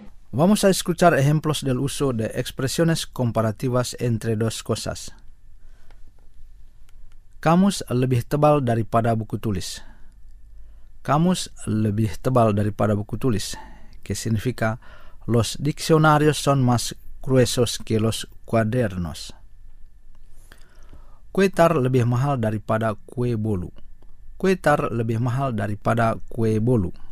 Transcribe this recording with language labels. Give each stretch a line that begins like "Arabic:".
Spanish: Vamos a escuchar ejemplos del uso de expresiones comparativas entre dos cosas.
Indonesian: Kamus lebih tebal daripada buku tulis. Kamus lebih tebal daripada buku tulis,
Spanish: que significa los diccionarios son más gruesos que los cuadernos.
Indonesian: Kue tar lebih mahal daripada kue bolu. Kue tar lebih mahal daripada kue bolu.